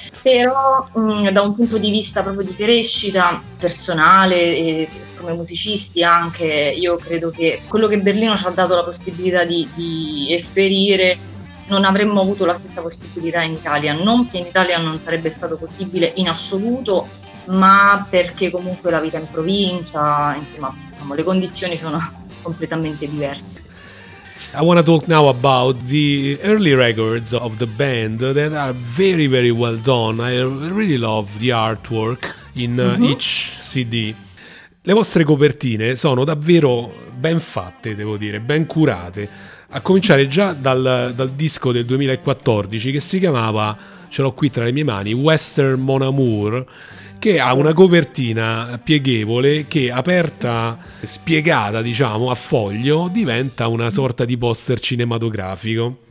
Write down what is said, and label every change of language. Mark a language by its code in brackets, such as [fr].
[it] Però da un punto di vista proprio di crescita personale e come musicisti anche, io credo che quello che Berlino ci ha dato la possibilità di esperire non avremmo avuto la stessa possibilità in Italia. Non che in Italia non sarebbe stato possibile in assoluto, ma perché comunque la vita in provincia, insomma, le condizioni sono completamente diverse. [en] I want to talk now about the early records of the band that are very, very well done. I really love the artwork in each CD. [it] Le vostre copertine sono davvero ben fatte, devo dire, ben curate. A cominciare già dal disco del 2014 che si chiamava, ce l'ho qui tra le mie mani, Western Mon Amour, che ha una copertina pieghevole che, aperta, spiegata, diciamo, a foglio, diventa una sorta di poster cinematografico.